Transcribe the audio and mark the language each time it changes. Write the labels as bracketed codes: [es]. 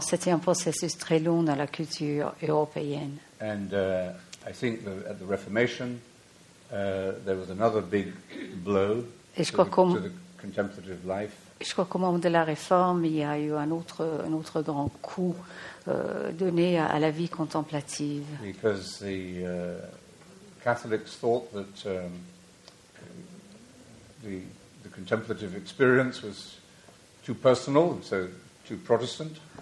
[fr] c'était un processus très long dans la culture européenne. [en] And I think at the Reformation. There was another big blow to the contemplative life. [fr] Je crois qu'au moment de la réforme, il y a eu un autre grand coup donné à la vie contemplative. [en] Because the Catholics thought that the contemplative experience was too personal, so too Protestant.